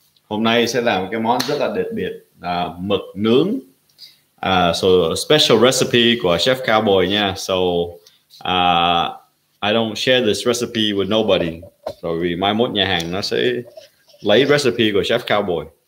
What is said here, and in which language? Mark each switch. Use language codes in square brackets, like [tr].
[vi] Hôm nay sẽ làm cái món rất là đặc biệt, mực nướng. [en] So a special recipe [vi] của [en] Chef Cowboy nha. So I don't share this recipe with nobody. [vi] So vì mai mốt nhà hàng nó sẽ lấy recipe của Chef Cowboy.